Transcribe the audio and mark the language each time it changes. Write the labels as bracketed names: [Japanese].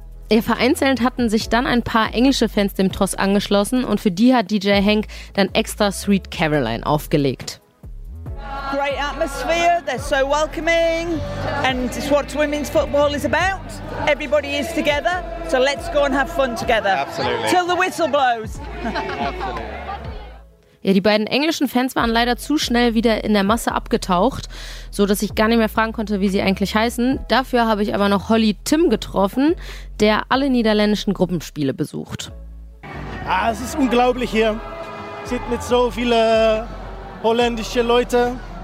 [German] Ja, vereinzelt hatten sich dann ein paar englische Fans dem Tross angeschlossen und für die hat DJ Hank dann extra Sweet Caroline aufgelegt. [English] Great atmosphere, they're so welcoming and it's what women's football is about. Everybody is together, so let's go and have fun together. Absolutely. Till the whistle blows. [German] Ja, die beiden englischen Fans waren leider zu schnell wieder in der Masse abgetaucht, so dass ich gar nicht mehr fragen konnte, wie sie eigentlich heißen. Dafür habe ich aber noch Holly Tim getroffen, der alle niederländischen Gruppenspiele besucht. Ah, es ist unglaublich hier. Sieht mit so vielen holländischen Leuten.